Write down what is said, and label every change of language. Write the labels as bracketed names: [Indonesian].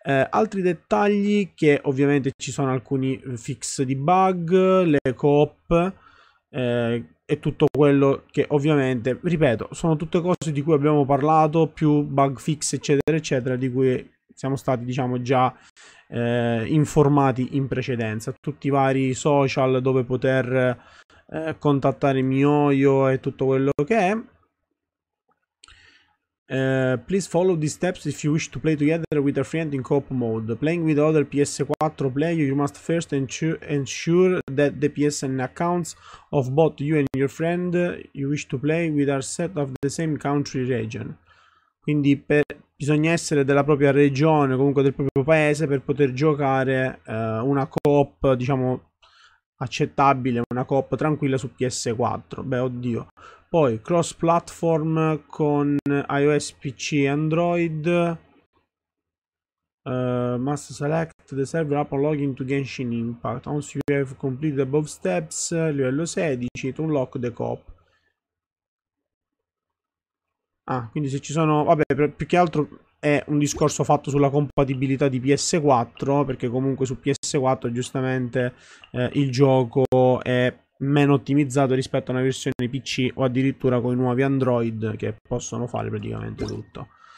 [Italian] Altri dettagli, che ovviamente ci sono alcuni fix di bug, le coop e tutto quello che ovviamente, ripeto, sono tutte cose di cui abbiamo parlato, più bug fix eccetera eccetera, di cui siamo stati, diciamo, già informati in precedenza, tutti i vari social dove poter contattare MiHoYo e tutto quello che è. [English] Please follow these steps if you wish to play together with a friend in co-op mode. Playing with other PS4 player, you must first ensure that the PSN accounts of both you and your friend you wish to play with are set of the same country region. [Italian] Quindi bisogna essere della propria regione, comunque del proprio paese, per poter giocare una co-op, diciamo, accettabile, una co-op tranquilla su PS4. Beh, oddio. Poi, cross-platform con iOS, PC e Android. [English] Must select the server app on login to Genshin Impact. Once you have completed above steps, [Italian] livello 16, [English] to unlock the co-op. [Italian] Ah, quindi se ci sono... Vabbè, più che altro è un discorso fatto sulla compatibilità di PS4, perché comunque su PS4, giustamente, il gioco è meno ottimizzato rispetto a una versione PC o addirittura con i nuovi Android che possono fare praticamente tutto.